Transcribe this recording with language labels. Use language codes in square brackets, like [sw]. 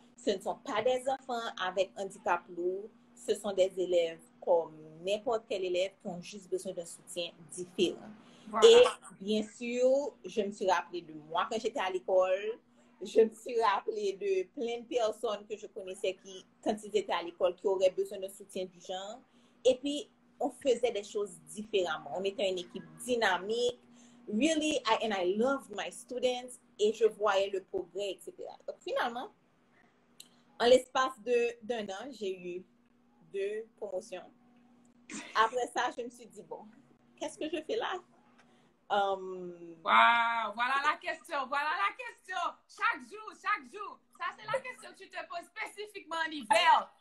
[fr] Ce ne sont pas des enfants avec handicap lourd. Ce sont des élèves comme n'importe quel élève qui ont juste besoin d'un soutien différent. Et bien sûr, je me suis rappelée de moi quand j'étais à l'école. je me suis rappelé de plein de personnes que je connaissais qui, quand ils étaient à l'école, qui auraient besoin de soutien du genre. Et puis, on faisait des choses différemment. On était une équipe dynamique. [en] Really, I loved my students. [fr] Et je voyais le progrès, etc. Donc, finalement, en l'espace d'un an, j'ai eu 2 promotions. Après ça, je me suis dit, bon, qu'est-ce que je fais là? Wow, voilà la question. Chaque jour, ça c'est la question que tu te poses spécifiquement en hiver.